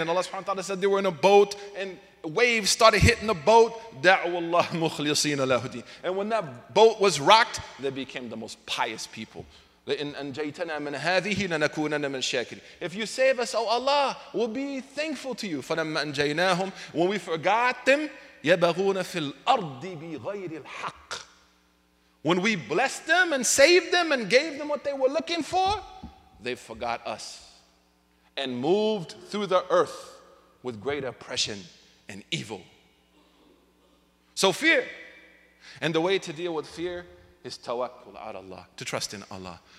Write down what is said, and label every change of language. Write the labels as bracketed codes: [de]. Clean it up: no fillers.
[en] And Allah subhanahu wa ta'ala said they were in a boat and waves started hitting the boat. [ar] دَعُوا اللَّهَ مُخْلِصِينَ لَهُ الدِّينَ. [en] And when that boat was rocked, they became the most pious people. [ar] لَئِنْ أَنْجَيْتَنَا مِنْ هَذِهِ لَنَكُونَنَا مِنْ شَاكِرِينَ. [en] If you save us, O Allah, we'll be thankful to you. [ar] فَلَمَّا أَنْجَيْنَاهُمْ. [en] When we forgot them, [ar] يَبَغُونَ فِي الْأَرْضِ بِغَيْرِ الْحَقِّ. [en] When we blessed them and saved them and gave them what they were looking for, they forgot us and moved through the earth with great oppression and evil. So fear. And the way to deal with fear is [ar] tawakkul ala Allah, [en] to trust in Allah.